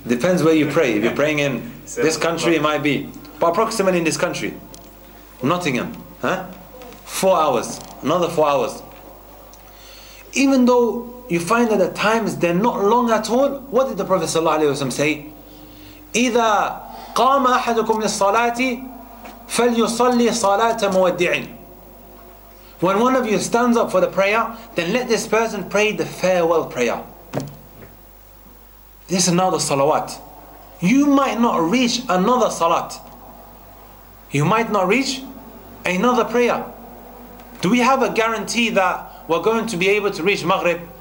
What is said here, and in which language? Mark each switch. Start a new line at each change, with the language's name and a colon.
English: Depends where you pray. If you're praying in this country, it might be. But approximately in this country, Nottingham, 4 hours, another 4 hours. Even though you find that the times, they're not long at all, what did the Prophet ﷺ say?
Arabic: إذا قام أحدكم للصلاة فليصلي صلاة مودعين.
English: When one of you stands up for the prayer, then let this person pray the farewell prayer. This is now the salawat. You might not reach another salat. You might not reach another prayer. Do we have a guarantee that we're going to be able to reach Maghrib?